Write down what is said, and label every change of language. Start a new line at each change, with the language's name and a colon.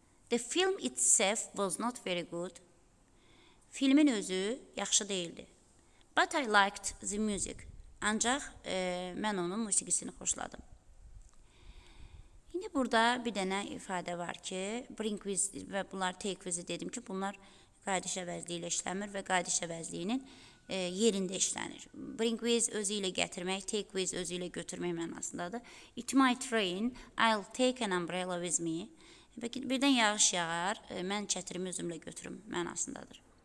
English: The film itself was not very good.
Azerbaijani: Filmin özü yaxşı deyildi.
English: But I liked the music.
Azerbaijani: Ancaq mən onun musiqisini xoşladım. İndi burada bir dənə ifadə var ki, bring with və bunlar take with dedim ki, bunlar qayıdış əvəzliyi ilə işləmir və qayıdış əvəzliyinin yerində işlənir. Bring with özü ilə gətirmək, take with özü ilə götürmək mənasındadır.
English: It might rain, I'll take an umbrella with me.
Azerbaijani: Birdən yağış yağar, mən çətirimi özümlə götürüm mənasındadır.